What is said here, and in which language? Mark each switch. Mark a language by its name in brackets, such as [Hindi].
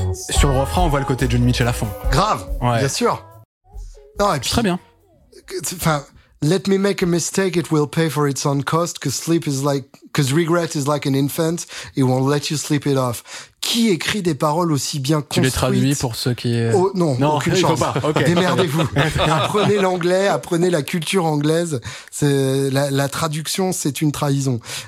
[French] Sur le refrain, on voit le côté de Joni Mitchell à fond. Grave, ouais. Bien sûr. Non, et puis, très bien. Enfin, [English] let me make a mistake, it will pay for its own cost, cause regret is like an infant, it won't let you sleep it off. [French] Qui écrit des paroles aussi bien construites? Tu les traduis pour ceux qui... Non, aucune chance. Il faut pas. Okay. Démerdez-vous. Apprenez l'anglais, apprenez la culture anglaise. La traduction, c'est une trahison.